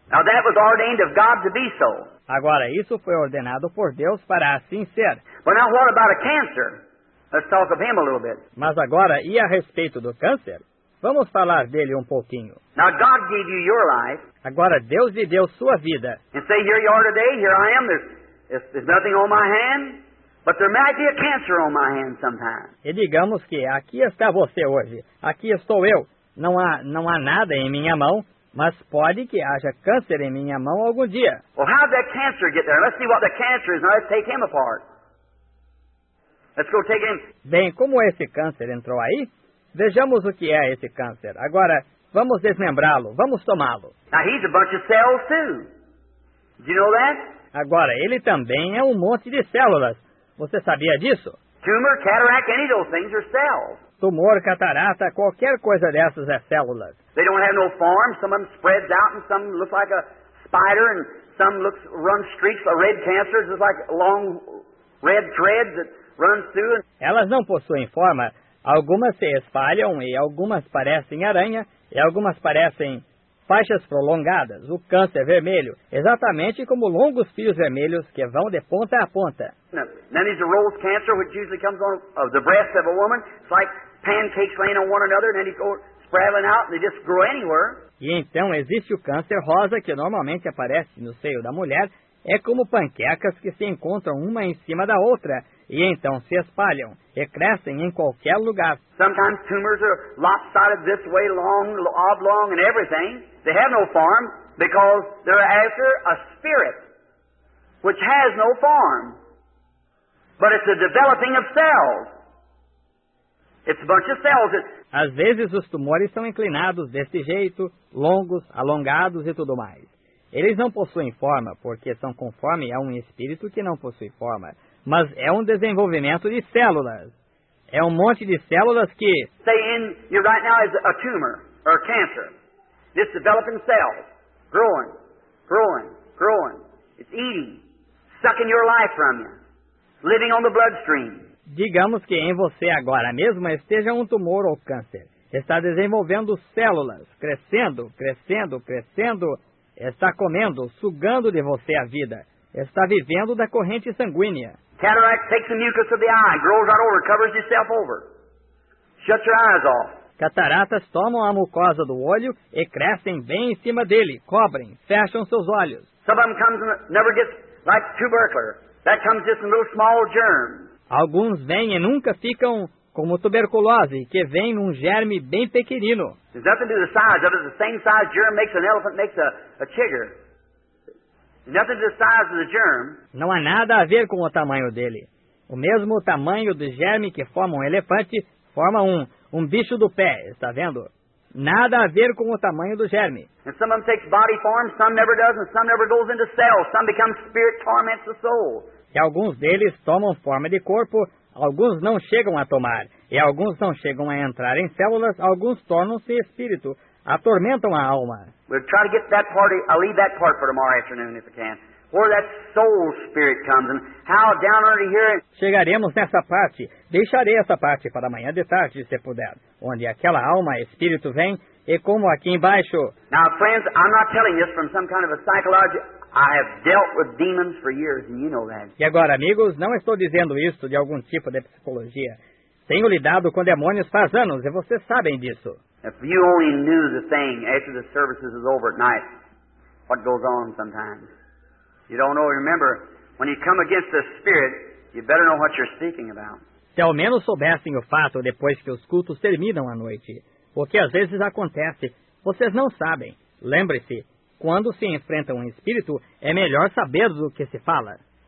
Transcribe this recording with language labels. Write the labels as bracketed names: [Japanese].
[English] Now that was ordained of God to be so. [Portuguese] Agora, isso foi ordenado por Deus para assim ser. [English] Well, now what about a cancer? Let's talk of him a little bit. [Portuguese] Mas agora, e a respeito do câncer? Vamos falar dele um pouquinho. [English] Now God gave you your life. [Portuguese] Agora, Deus lhe deu sua vida. [English] And say, here you are today, here I am, there's nothing on my hand, but there might be a cancer on my hand sometime. [Portuguese] E digamos que aqui está você hoje, aqui estou eu. Não há nada em minha mão, mas pode que haja câncer em minha mão algum dia. [English] Well, how did that cancer get there? Let's see what the cancer is. Now let's take him apart. Let's go take him. [Portuguese] Bem, como esse câncer entrou aí? Vejamos o que é esse câncer. Agora, vamos desmembrá-lo. Vamos tomá-lo. [English] Now he's a bunch of cells too. Do you know that? [Portuguese] Agora, ele também é um monte de células. Você sabia disso? [English] Tumor, cataract, any of those things are cells. [Portuguese] Tumor, catarata, qualquer coisa dessas é células. [English] They don't have no form. Some of them spreads out and some looks like a spider and some looks run streaks. A red cancer is like a long red thread that runs through. [Portuguese] Elas não possuem forma. Algumas se espalham e algumas parecem aranha e algumas parecem faixas prolongadas. O câncer vermelho, exatamente como longos fios vermelhos que vão de ponta a ponta. [English] Then there's a rose cancer, which usually comes on the breast of a woman. It's like pancakes laying on one another, and then you go spraying out, and they just grow anywhere. [Portuguese] E então existe o câncer rosa, que normalmente aparece no seio da mulher. É como panquecas que se encontram uma em cima da outra, e então se espalham, e crescem em qualquer lugar. [English] Sometimes tumors are lopsided this way, long, oblong, and everything. They have no form, because they're after a spirit, which has no form. But it's a developing of cells. It's a bunch of cells. [Portuguese] Às vezes os tumores são inclinados deste jeito, longos, alongados e tudo mais. Eles não possuem forma, porque são conforme a um espírito que não possui forma. Mas é um desenvolvimento de células. É um monte de células que... [English] Say in you right now is a tumor or a cancer. This developing cell. Growing, growing, growing. It's eating, sucking your life from you. Living on the bloodstream. [Portuguese] Digamos que em você agora mesmo esteja um tumor ou câncer. Está desenvolvendo células, crescendo, crescendo, crescendo. Está comendo, sugando de você a vida. Está vivendo da corrente sanguínea. [English] Cataract takes the mucus of the eye, grows out over, covers itself over. Shut your eyes off. [Portuguese] Cataratas tomam a mucosa do olho e crescem bem em cima dele, cobrem, fecham seus olhos. [English] Some of them comes and never gets like tubercular. That comes just in little small germs. [Portuguese] Alguns vêm e nunca ficam como tuberculose, que vem num germe bem pequenino. [English] There's nothing to the size of it. The same size germ makes an elephant, makes a chigger. Nothing to the size of the germ. [Portuguese] Não há nada a ver com o tamanho dele. O mesmo tamanho do germe que forma um elefante forma um bicho do pé, está vendo? Nada a ver com o tamanho do germe. [English] And some of them take body form, some never does, and some never goes into cells. Some become spirit torments the soul. [Portuguese] E alguns deles tomam forma de corpo, alguns não chegam a tomar. E alguns não chegam a entrar em células, alguns tornam-se espírito, atormentam a alma. [English] We'll try to get that part, I'll leave that part for tomorrow afternoon if I can. Where that soul spirit comes and how down under here. [Portuguese] Chegaremos nessa parte. Deixarei essa parte para amanhã de tarde, se puder. Onde aquela alma, espírito vem e como aqui embaixo. [English] Now, friends, I'm not telling this from some kind of a psychological. I have dealt with demons for years, and you know that. [Portuguese] E agora, amigos, não estou dizendo isso de algum tipo de psicologia. Tenho lidado com demônios faz anos, e vocês sabem disso. [English] If you only knew the thing after the services is over at night, what goes on sometimes. You don't know. Remember, when you come against a spirit, you better know what you're speaking about. [Portuguese] Se ao menos soubessem o fato depois que os cultos terminam à noite, o que às vezes acontece, vocês não sabem. Lembre-se. Quando se enfrenta um espírito, é melhor saber do que se fala.